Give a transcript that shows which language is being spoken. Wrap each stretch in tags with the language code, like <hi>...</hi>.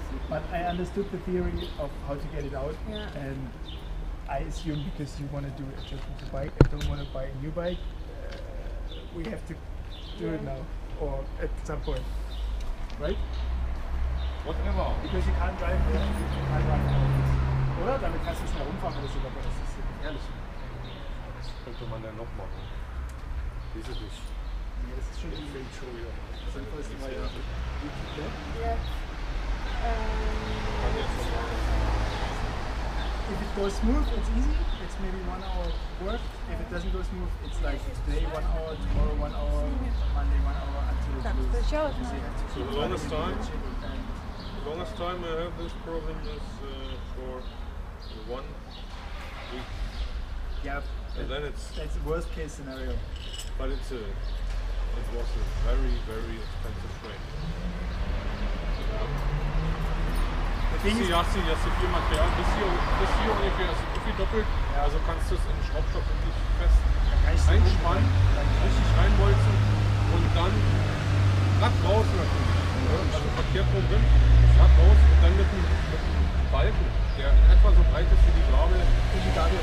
<en>But I understood the theory of how to get it out. Yeah. And I assume because you want to do it just with the bike and don't want to buy a new bike. We have to do it now, or at some point, right? Whatever. Because you can't drive there, you can't drive out of this.</en> <de>Oder? Damit kannst du es mehr umfahren, oder so, aber das ist gefährlich. Das könnte man ja noch machen. Wieso nicht? Nee, das ist schon die Fake Show, ja. Sinnvoll ist die Variante.</de> <en>If it goes smooth, it's easy. It's maybe 1 hour work. If it doesn't go smooth, it's like today 1 hour, tomorrow 1 hour, Monday 1 hour until it's the show. So the longest time I have this problem is for 1 week. Yep. And then it's the worst case scenario. But it's a it was a very very expensive train.</en> <de>Hast du viel Material, bis hier ungefähr, also so viel doppelt, ja. Also kannst du es in den Schraubstock wirklich fest einspannen, richtig reinbolzen und dann Rad raus natürlich, also verkehrt rum drin, Rad raus und dann mit einem Balken, der in etwa so breit ist, wie die Gabel</de>